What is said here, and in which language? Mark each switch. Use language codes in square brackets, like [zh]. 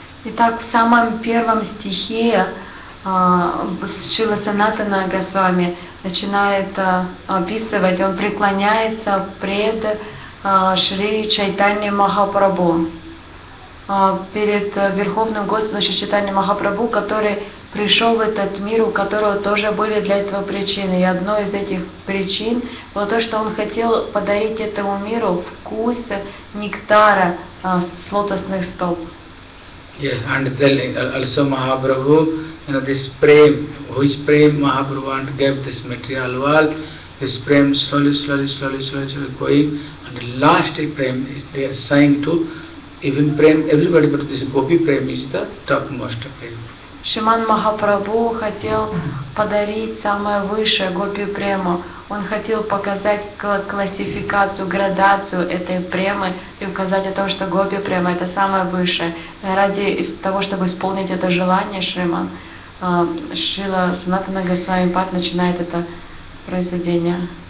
[ru] Итак, в самом первом стихе Шрила Санатана Госвами начинает описывать, он преклоняется пред Шри Чайтанья Махапрабху, перед Верховным Господом Шри Чайтанья Махапрабху, который пришел в этот мир, у которого тоже были для этого причины. И одной из этих причин было то, что он хотел подарить этому миру вкус нектара с лотосных стоп. [en] Yeah, and telling also Mahaprabhu, you know, this prem, which prem Mahaprabhu want to give this material world, this prem slowly going, and the last prem is they are saying to even Prem, everybody, but this Gopi Prem is the topmost of it. [ru] Шриман Махапрабху хотел подарить самое высшее Гопи Прему. Он хотел показать классификацию, градацию этой премы и указать о том, что Гопи Према это самое высшее. Ради того, чтобы исполнить это желание, Шриман, Шрила Санатана Госвами Пад начинает это произведение.